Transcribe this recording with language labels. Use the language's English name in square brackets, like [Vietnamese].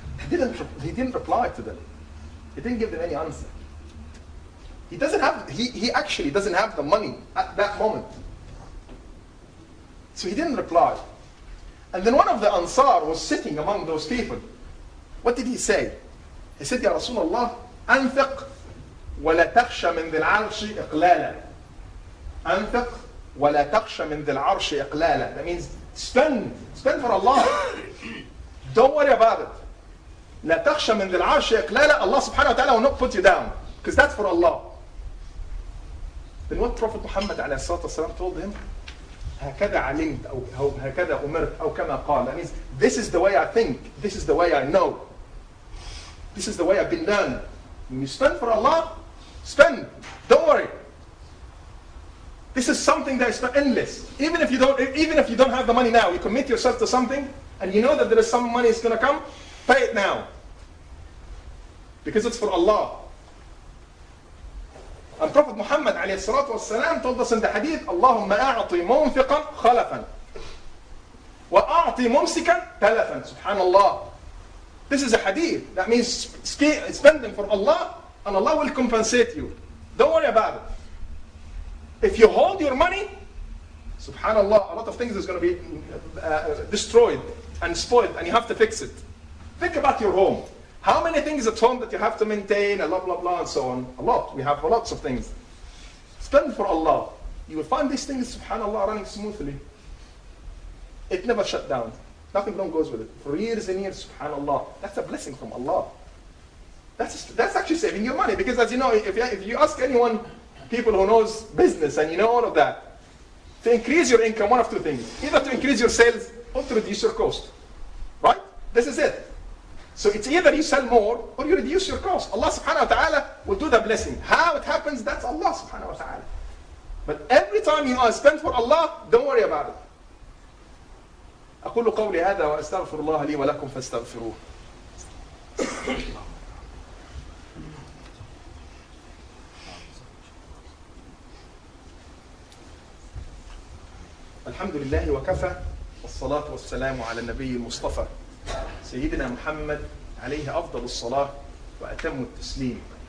[English] He didn't reply to them. He didn't give them any answer. He actually doesn't have the money at that moment. So he didn't reply. And then one of the Ansar was sitting among those people. What did he say? He said, Ya Rasulullah, [Arabic] أنفق ولا تخشى من ذي العرش إقلالا. أنفق ولا تخش من ذي العرش إقلالا. [English] That means spend for Allah. Don't worry about it. [Arabic] لا تخش من ذي العرش إقلالا. [English] Allah سبحانه وتعالى will not put you down, because that's for Allah. Then what Prophet Muhammad عليه الصلاة والسلام told him? [Arabic] هكذا علمت أو هكذا أمرت أو كما قال. [English] That means this is the way I think. This is the way I know. This is the way I've been learned. When you spend for Allah, spend. Don't worry. This is something that is endless. Even if you don't have the money now, you commit yourself to something, and you know that there is some money that's going to come, pay it now. Because it's for Allah. And Prophet Muhammad عليه الصلاة والسلام told us in the hadith, [Arabic] اللهم أعطي منفقا خلفا وأعطي ممسكا تلفا. [English] Subhanallah. This is a hadith. That means spending for Allah, and Allah will compensate you. Don't worry about it. If you hold your money, subhanallah, a lot of things is going to be destroyed and spoiled, and you have to fix it. Think about your home. How many things at home that you have to maintain, and blah, blah, blah, and so on? A lot. We have lots of things. Spend for Allah. You will find these things, subhanallah, running smoothly. It never shut down. Nothing wrong goes with it. For years and years, subhanallah. That's a blessing from Allah. That's actually saving your money. Because as you know, if you ask anyone, people who knows business and you know all of that, to increase your income, one of two things. Either to increase your sales or to reduce your cost. Right? This is it. So it's either you sell more or you reduce your cost. Allah subhanahu wa ta'ala will do the blessing. How it happens, that's Allah subhanahu wa ta'ala. But every time you are spent for Allah, don't worry about it. [Arabic] أقول قولي هذا وأستغفر الله لي ولكم فاستغفروه. الحمد لله وكفى والصلاة والسلام على النبي المصطفى سيدنا محمد عليه أفضل الصلاة وأتم التسليم.